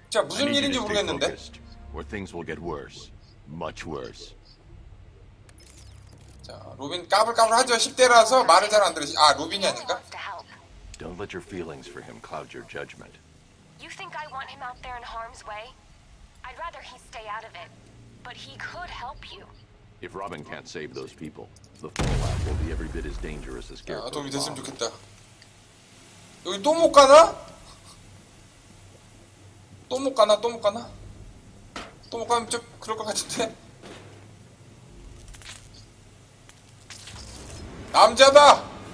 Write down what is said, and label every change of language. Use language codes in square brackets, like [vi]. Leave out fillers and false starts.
[ko] 자, 무슨 일인지 모르겠는데. [en] Or things will get worse. Much worse. [ko] 자, 로빈 까불까불하죠. 10대라서 말을 잘 안 들으시. 아, 로빈이 아닌가? [en] Don't let your feelings for him cloud your judgment. You think I want him out there in harm's way? I'd rather he stay out of it. But he could help you. If Robin can't save those people, the fallout will be every bit as dangerous as Scarecrow. [ko] 아, 도움이 됐으면 좋겠다. 여기 또 못 가나? 또 못 가나? 또 못 가나? 또 못 가면 좀 그럴 것 같은데. 남자다.